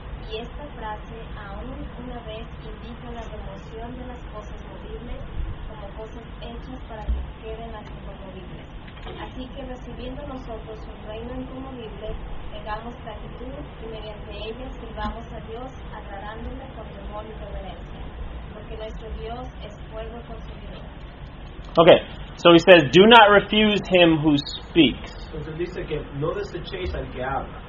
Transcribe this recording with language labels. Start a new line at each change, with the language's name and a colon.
Spanish: y esta frase aún una vez indica la remoción de las cosas movibles como cosas hechas para que queden las inconmovibles. Así que recibiendo nosotros un reino incomovible, tengamos gratitud y mediante ella sirvamos a Dios agradándole con temor y reverencia, porque nuestro Dios es fuego consumidor.
English: Okay, so he says, do not refuse him who speaks.
Spanish: Entonces dice que no desechéis al que habla.